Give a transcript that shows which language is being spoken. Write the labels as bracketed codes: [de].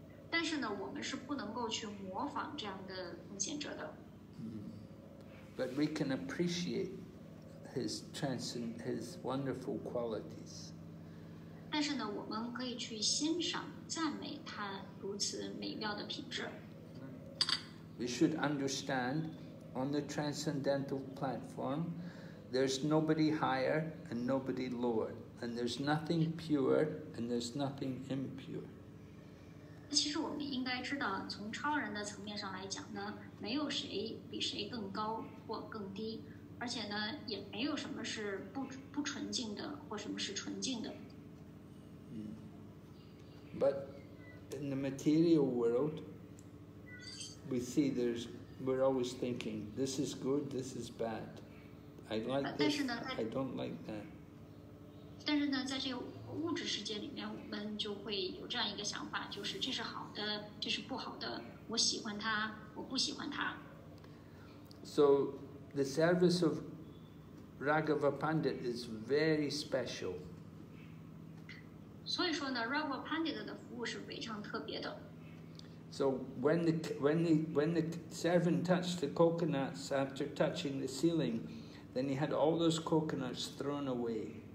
[zh] 但是呢，我们是不能够去模仿这样的奉献者的。 [en] But we can appreciate his wonderful qualities。 [zh] 但是呢，我们可以去欣赏、赞美他如此美妙的品质。 [en] We should understand. On the transcendental platform, there's nobody higher and nobody lower, and there's nothing pure and there's nothing impure. [zh] 其实我们应该知道，从超人的层面上来讲呢，没有谁比谁更高或更低，而且呢，也没有什么是不纯净的或什么是纯净的。 [en] But in the material world, we see there's. We're always thinking, this is good, this is bad. I like this, I don't like that. [zh] 但是呢，在这个物质世界里面，我们就会有这样一个想法，就是这是好的，这是不好的，我喜欢它，我不喜欢它。 [en] So, the service of Raghava Pandit is very special. [zh] 所以说呢，Raghava Pandit的服务是非常特别的。 [en] So when the servant touched the coconuts after touching the ceiling, then he had all those coconuts thrown away.